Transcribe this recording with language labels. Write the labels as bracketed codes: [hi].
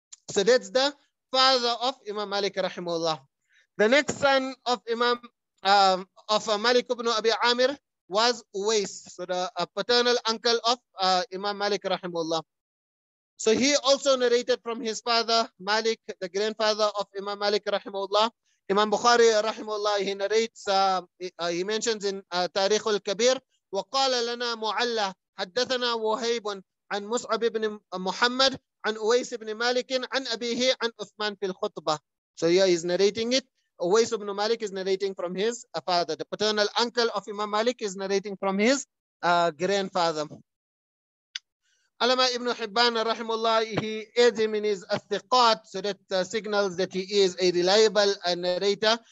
[en] So that's the father of Imam Malik rahimahullah. The next son of Imam Malik ibn Abi Amir was Uwais, so the paternal uncle of Imam Malik rahimullah. So he also narrated from his father Malik, the grandfather of Imam Malik rahimullah. Imam Bukhari rahimullah, he narrates, he mentions in Tariq al-Kabir, [ar] وَقَالَ لَنَا مُعَلَّى حَدَّثَنَا وُهَيْبٌ عَنْ مُسْعَبِ ابْنِ مُحَمَّدْ عَنْ أُوَيْسِ ابْنِ مَالِكٍ عَنْ أَبِيهِ عَنْ أُثْمَانِ فِي الْخُطْبَةِ. [en] So here he's narrating it. Uwais ibn Malik is narrating from his father. The paternal uncle of Imam Malik is narrating from his grandfather. Alama ibn Hibban rahimullah, he adds him in his athiqat, so that signals that he is a reliable narrator.